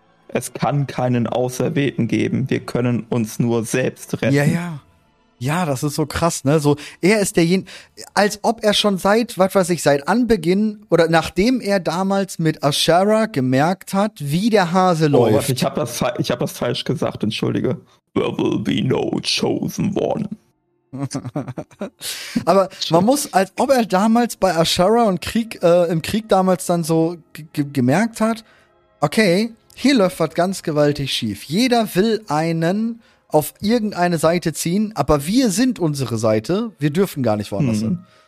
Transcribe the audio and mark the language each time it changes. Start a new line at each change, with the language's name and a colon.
German: Es kann keinen Auserwählten geben. Wir können uns nur selbst retten. Ja, ja. Ja, das ist so krass, ne? So, er ist derjenige, als ob er schon seit, was weiß ich, seit Anbeginn oder nachdem er damals mit Ashara gemerkt hat, wie der Hase läuft. Oh, ich hab das falsch gesagt, entschuldige.
English: There will be no chosen one.
German: Aber man muss, als ob er damals bei Ashara und im Krieg damals dann so gemerkt hat, okay, hier läuft was ganz gewaltig schief. Jeder will einen auf irgendeine Seite ziehen, aber wir sind unsere Seite, wir dürfen gar nicht woanders hin.